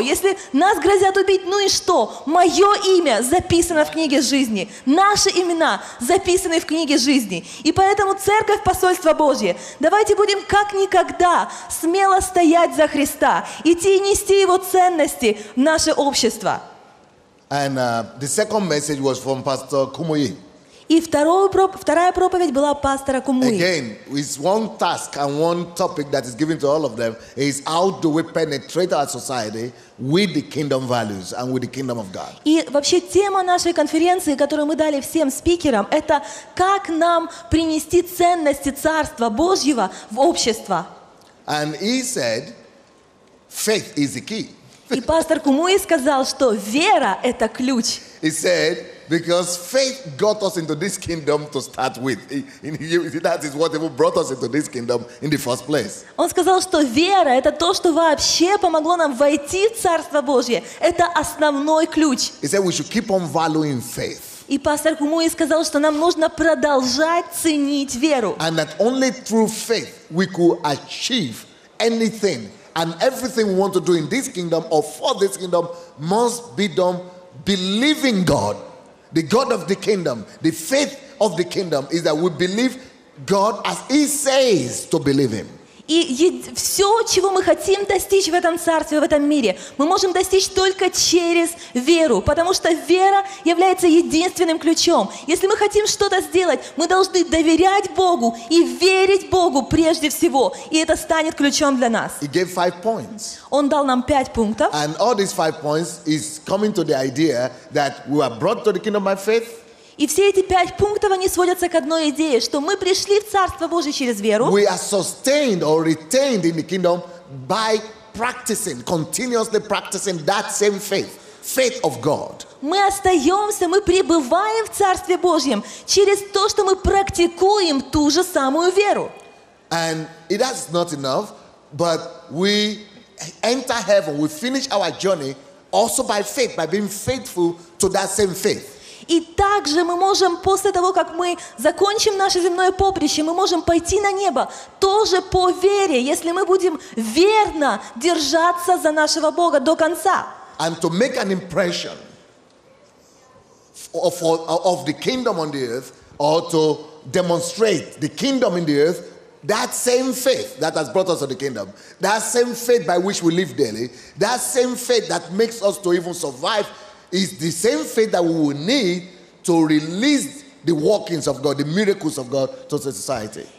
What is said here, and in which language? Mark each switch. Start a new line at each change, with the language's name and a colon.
Russian: Если нас грозят убить, ну и что? Мое имя записано в книге жизни. Наши имена записаны в книге жизни. И поэтому Церковь Посольства Божье, давайте будем как никогда смело стоять за Христа, идти и нести Его ценности в наше общество.
English: And the second message was from Pastor Kumuyi.
Russian: И вторая проповедь была пастора Кумуи.
English: Again, it's one task and one topic that is given to all of them is how do we penetrate our society with the kingdom values and with the kingdom of God.
Russian: И вообще тема нашей конференции, которую мы дали всем спикерам, это как нам принести ценности Царства Божьего в общество.
English: And he said, faith is the key.
Russian: И пастор Кумуи сказал, что вера — это ключ.
English: He said, because faith got us into this kingdom to start with. That is what even brought us into this kingdom in the first place.
Russian: Он сказал, что вера — это то, что вообще помогло нам войти в Царство Божье. Это основной ключ.
English: He said, we should keep on valuing faith.
Russian: И пастор Кумуи сказал, что нам нужно продолжать ценить веру.
English: And that only through faith we could achieve anything. And everything we want to do in this kingdom or for this kingdom must be done believing God, the God of the kingdom. The faith of the kingdom is that we believe God as He says to believe Him.
Russian: И все, чего мы хотим достичь в этом царстве, в этом мире, мы можем достичь только через веру, потому что вера является единственным ключом. Если мы хотим что-то сделать, мы должны доверять Богу и верить Богу прежде всего, и это станет ключом для нас.
English: He gave 5 points.
Russian: Он дал нам 5 пунктов.
English: And all these 5 points is coming to the idea that we are brought to the kingdom by faith.
Russian: И все эти 5 пунктов, они сводятся к одной идее, что мы пришли в Царство Божие через веру.
English: We are sustained or retained in the kingdom by practicing, continuously practicing that same faith, faith of God.
Russian: Мы остаемся, мы пребываем в Царстве Божьем через то, что мы практикуем ту же самую веру.
English: And that's not enough, but we enter heaven, we finish our journey also by faith, by being faithful to that same faith.
Russian: И также мы можем, после того, как мы закончим наше земное поприще, мы можем пойти на небо тоже по вере, если мы будем верно держаться за нашего Бога до конца.
English: And to make an impression of the kingdom on the earth, or to demonstrate the kingdom in the earth, that same faith that has brought us to the kingdom, that same faith by which we live daily, that same faith that makes us to even survive, is the same faith that we will need to release the workings of God, the miracles of God to the society.